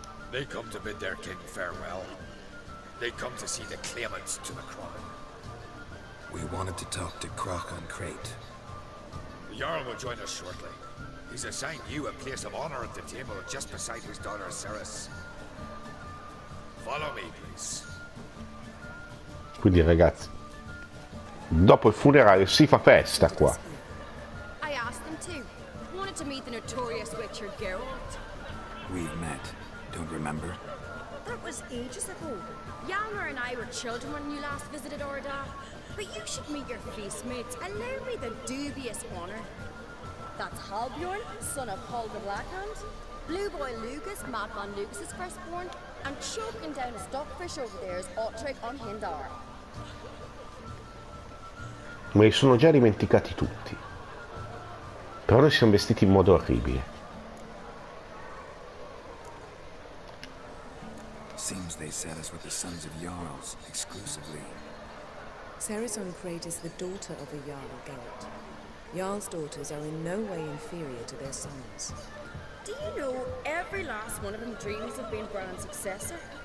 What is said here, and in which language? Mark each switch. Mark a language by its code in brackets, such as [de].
[en] They come to bid their king farewell. They come to see the claimants to the crown. We wanted to talk to Croc on Crate. The Jarl will join us shortly. He's assigned you a place of honor at the table just beside his daughter Ceres. Follow me, please. [it] Quindi, ragazzi, dopo il funerale si fa festa qua. [en] I asked them too. Wanted to meet the notorious Witcher Geralt. We've met. Don't remember? That was ages ago. Yalmer and I were children when you last visited Orda. But you should meet your feast mates. Allow me the dubious honor. That's Halbjorn, son of Paul the Blackhand. Blue boy Lucas, Matt von Lucas's firstborn. And choking down a stockfish over there is Otric on Hindar. [it] Me li sono già dimenticati tutti. Però noi siamo vestiti in modo orribile. [en] Seems they set us with the sons of Jarls exclusively. Ceres on Crate is the daughter of a Jarl Geralt. Jarl's daughters are in no way inferior to their sons. Do you know every last one of them dreams of being Bran's successor?